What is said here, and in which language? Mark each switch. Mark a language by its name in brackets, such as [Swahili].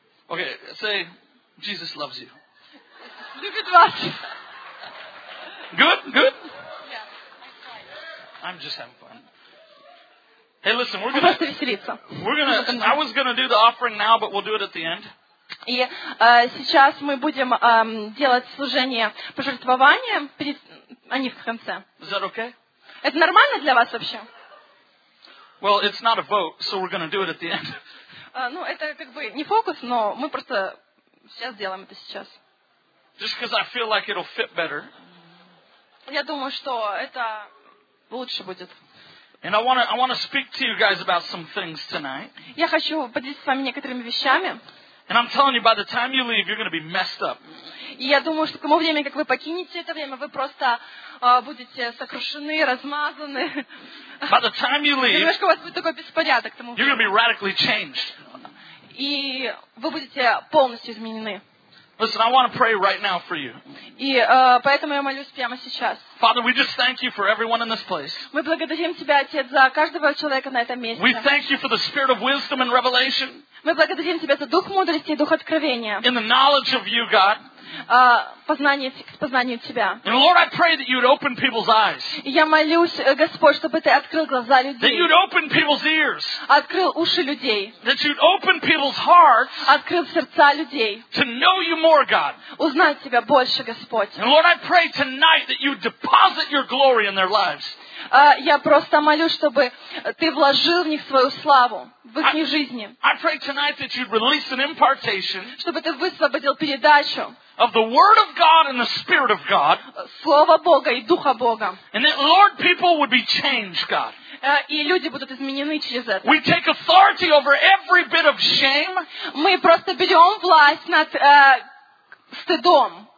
[English] Okay. Okay. Say, Jesus loves you. [Russian] Любит вас. [English] Good. Yeah. I'm just having fun. Hey, listen, we're gonna, [Russian] просто веселиться. [English] I was gonna do the offering now, but we'll do it at the end. [Russian] И сейчас мы будем делать служение пожертвования, а не в конце. [English] Is that okay? [Russian] Это нормально для вас вообще? [English] Well, it's not a vote, so we're gonna do it at the end. [Russian] Ну, это как бы не фокус, но мы просто сейчас сделаем это сейчас. [English] Just because I feel like it'll fit better. [Russian] Я думаю, что это лучше будет. [English] And I want to speak to you guys about some things tonight. [Russian] Я хочу поделиться с вами некоторыми вещами. [English] And I'm telling you, by the time you leave, you're going to be messed up. [Russian] И я думаю, что к тому времени, как вы покинете это время, вы просто будете сокрушены, размазаны. [English] By the time you leave, [Russian] немножко у вас будет такой беспорядок. [English] You're going to be radically changed. [Russian] И вы будете полностью изменены. [English] Listen, I want to pray right now for you. [Russian] И поэтому я молюсь прямо сейчас. [English] Father, we just thank you for everyone in this place. [Russian] Мы благодарим тебя, Отец, за каждого человека на этом месте. [English] We thank you for the spirit of wisdom and revelation. [Russian] Мы благодарим тебя за дух мудрости и дух откровения. [English] In the knowledge of you, God. [Russian] Познанию тебя. [English] And Lord, I pray that you'd open people's eyes. [Russian] Я молюсь, Господь, чтобы ты открыл глаза людей. [English] That you'd open people's ears. [Russian] Открыл уши людей. [English] That you'd open people's hearts. [Russian] Открыл сердца людей. [English] To know you more, God. [Russian] Узнать тебя больше, Господь. [English] And Lord, I pray tonight that you'd deposit your glory in their lives. [Russian] Я просто молюсь, чтобы ты вложил в них свою славу, в их жизни. [English] I pray tonight that you'd release an impartation. [Russian] Чтобы ты высвободил передачу. [English] Of the Word of God and the Spirit of God. [Russian] Слово Бога и Духа Бога. [English] And that, Lord, people would be changed, God. [Russian] И люди будут изменены через это. [English] We take authority over every bit of shame. [Russian] Мы просто берем власть над стыдом.